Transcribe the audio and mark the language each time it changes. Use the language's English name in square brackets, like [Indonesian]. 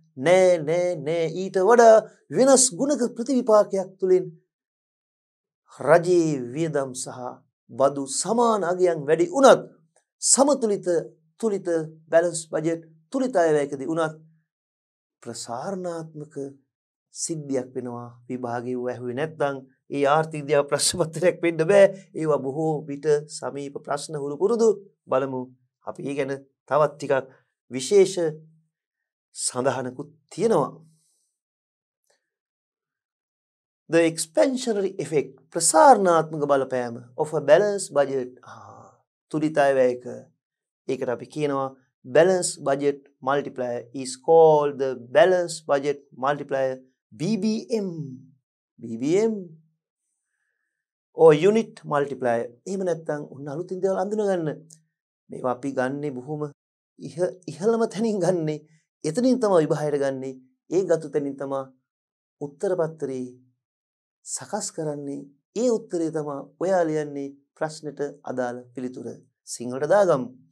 [Sinhala] නෑ නෑ නෑ, ඊට වඩා වෙනස් ගුණක ප්‍රතිවිපාකයක් තුලින් රජයේ වියදම් සහ බදු සමාන අගයන් වැඩි වුණත් සමතුලිත තුලිත බැලන්ස් බජට් තුලිතයවයකදී වුණත් ප්‍රසාරණාත්මක සිද්ධියක් වෙනවා. විභාගය ඇහුවේ නැත්නම් ඒ ආර්ථික විද්‍යාව ප්‍රශ්න පත්‍රයක් වෙන්න බෑ. ඒවා බොහෝ විට සමීප ප්‍රශ්න හුරු පුරුදු. බලමු අපි ඒ ගැන තවත් ටිකක් විශේෂ සඳහනකුත් තියෙනවා. [English] The expansionary effect, [Sinhala] ප්‍රසාරණාත්මක බලපෑම [English] of a balanced budget, [Sinhala] තුලිතයවයක, ඒකට අපි කියනවා [English] balanced budget multiplier, is called the balanced budget multiplier, BBM, BBM or unit multiplier. [Sinhala] එහෙම නැත්නම් උන් අලුතින් දේවල් අඳුනගන්න මේවා අපි ගන්නෙ බොහොම ඉහළම තැනින් ගන්නෙ, එතනින් තමයි විභාහයට ගන්නෙ, ඒ ගත්තු තැනින් තමයි උත්තර පත්‍රේ සකස් කරන්නේ, ඒ උත්තරේ තමයි ඔයා ලියන්නේ ප්‍රශ්නෙට අදාළ පිළිතුර. සිංහලට දාගමු.